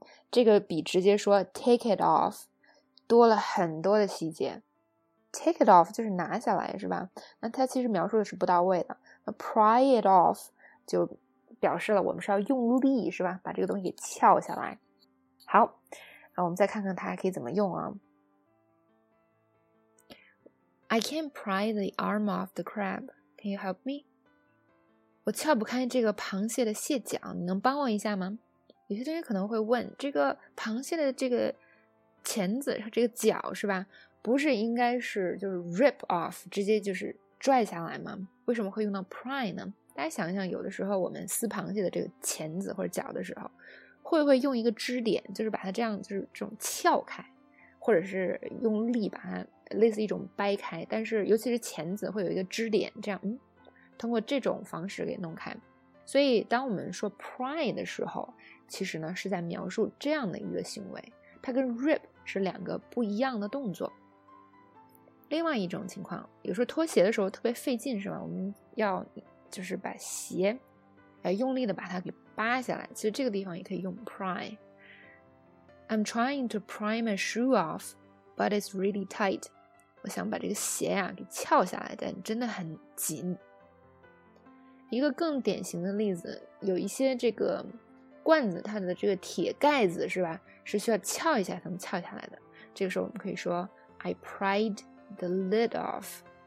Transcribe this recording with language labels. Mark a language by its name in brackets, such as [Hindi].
[Chinese] 这个比直接说 [English] take it off [Chinese] 多了很多的细节。 [English] Take it off [Chinese] 就是拿下来，是吧？那它其实描述的是不到位的。那 [English] pry it off [Chinese] 就表示了我们是要用力，是吧？把这个东西撬下来。好，那我们再看看它还可以怎么用啊。 [English] I can't pry the arm off the crab. Can you help me? [Chinese] 我撬不开这个螃蟹的蟹脚，你能帮我一下吗？有些同学可能会问，这个螃蟹的这个钳子，这个脚是吧？不是应该是就是 [English] rip off， [Chinese] 直接就是拽下来吗？为什么会用到 pry 呢？大家想一想，有的时候我们撕螃蟹的这个钳子或者脚的时候，会不会用一个支点，就是把它这样就是这种撬开，或者是用力把它类似一种掰开，但是尤其是钳子会有一个支点，这样通过这种方式给弄开。所以当我们说 pry 的时候，其实呢是在描述这样的一个行为，它跟 rip 是两个不一样的动作。另外一种情况，有时候脱鞋的时候特别费劲，是吧？我们要就是把鞋用力的把它给扒下来，其实这个地方也可以用 pry。 [English] I'm trying to pry my shoe off but it's really tight. [Chinese] 我想把这个鞋啊给撬下来，但真的很紧。一个更典型的例子，有一些这个罐子它的这个铁盖子是吧，是需要撬一下才能撬下来的，这个时候我们可以说 [English] I pried the lid off。